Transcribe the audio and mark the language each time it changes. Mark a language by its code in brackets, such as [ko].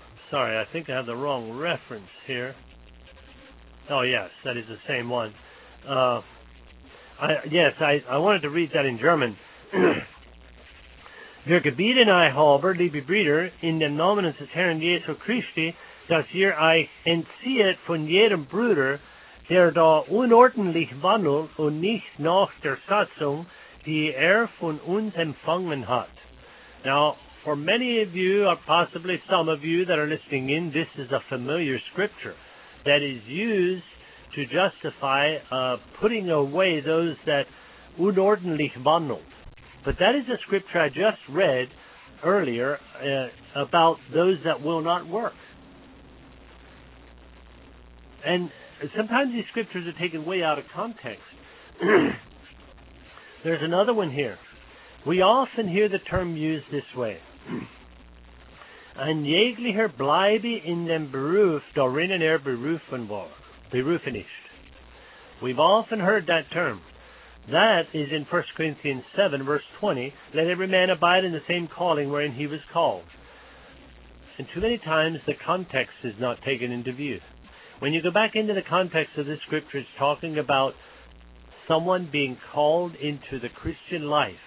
[en] Sorry, I think I have the wrong reference here. Oh, yes, that is the same one. I wanted to read that in German. [de] Wir gebieten euch, aber, liebe Brüder, in dem Namen des Herrn Jesu Christi, dass ihr euch entzieht von jedem Bruder, der da unordentlich wandelt und nicht nach der Satzung, die von uns empfangen hat. [en] Now, for many of you, or possibly some of you that are listening in, this is a familiar scripture that is used to justify putting away those that [de] unordentlich wandeln. [en] But that is a scripture I just read earlier about those that will not work. And sometimes these scriptures are taken way out of context. There's another one here. We often hear the term used this way. [de] Ein jeglicher bleibe in dem Beruf, darin er berufen war, berufen ist. [en] We've often heard that term. That is in 1 Corinthians 7, verse 20. Let every man abide in the same calling wherein he was called. And too many times the context is not taken into view. When you go back into the context of this scripture, it's talking about someone being called into the Christian life.